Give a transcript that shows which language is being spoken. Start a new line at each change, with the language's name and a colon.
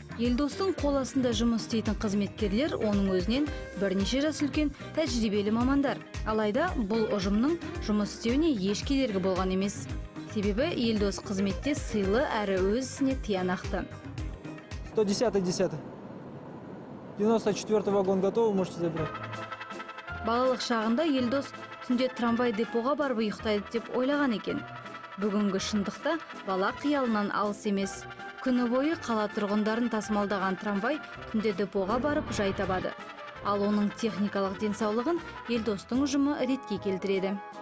Kazakh: Елдостың қоласында жұмыс істейтін қызметкерлер оның өзінен бірнеше жас үлкен тәжірибелі мамандар. Алайда бұл ұжымның жұмыс істеуіне еш кедергі болған емес. Себебі Елдос қызметте сыйлы әрі өз ісіне тиянақты. 110-10.
Russian: 94 вагон готов, можете забрать.
Kazakh: Балалық шағында Елдос түнде трамвай депоға барып ұйықтайды деп ойлаған екен. Бүгінгі шындықта бала қиялынан алыс емес. Күні бойы қала тұрғындарын тасымалдаған трамвай түнде депоға барып жай табады. Ал оның техникалық денсаулығын Елдостың ұжымы ретке келтіреді.